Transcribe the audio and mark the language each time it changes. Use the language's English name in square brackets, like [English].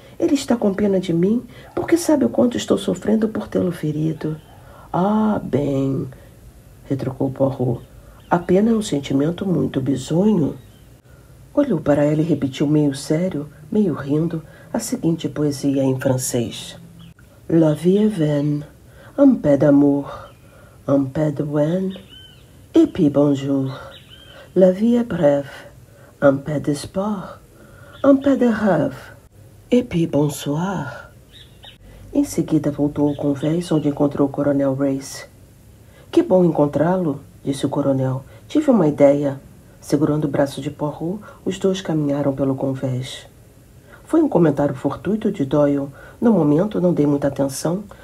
[Portuguese] Ele está com pena de mim porque sabe o quanto estou sofrendo por tê-lo ferido. Ah, bem, retrucou Poirot. A pena é um sentimento muito bizonho. Olhou para ela e repetiu meio sério, meio rindo, a seguinte poesia em francês. [French] La vie est vaine, un peu d'amour, un peu de bon, et puis bonjour. La vie est brève, un peu d'espoir, un peu de rêve. Et puis bonsoir. [Portuguese] Em seguida voltou ao convés onde encontrou o coronel Race. Que bom encontrá-lo, disse o coronel. Tive uma ideia. Segurando o braço de Poirot, os dois caminharam pelo convés. Foi um comentário fortuito de Doyle. No momento, não dei muita atenção.